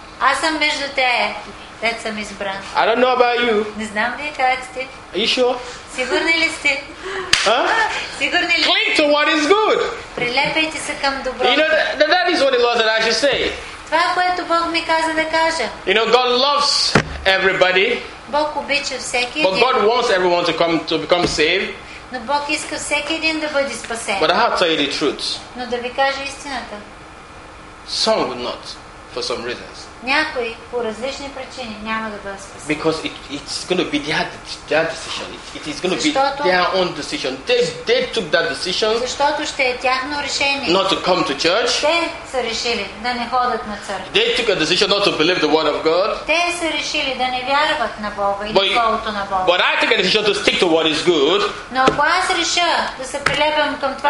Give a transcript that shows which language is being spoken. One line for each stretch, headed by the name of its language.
Bulgarian: Аз съм между те, те съм избран.
English: I don't know about you.
Bulgarian: Не знам вие как сте.
English: Are you sure?
Bulgarian: Сигурни ли сте? Сигурни ли?
English: Cling to what is good.
Bulgarian: Прилепете се към доброто.
English: You know, that is what the Lord that I should say.
Bulgarian: Това, което Бог ми каза да кажа.
English: You know, God loves everybody.
Bulgarian: Бог обича всеки.
English: But God wants everyone to come to become saved.
Bulgarian: Но Бог иска всеки един да бъде спасен.
English: But I have to tell you the truth.
Bulgarian: Но да ви кажа истината.
English: Some would not, for some reasons.
Bulgarian: Някой по различни причини няма да бъде спасен.
English: Because it's going to be their decision. It is going to be their own decision. They took that decision.
Bulgarian: Защото ще е тяхно решение.
English: Not to come to church.
Bulgarian: Те са решили да не ходят на църква.
English: They took a decision not to believe the word of God.
Bulgarian: Те са решили да не вярват на Бога и словото на Бога.
English: But I took a decision to stick to what is good.
Bulgarian: Но ако аз реша да се прилепям към това,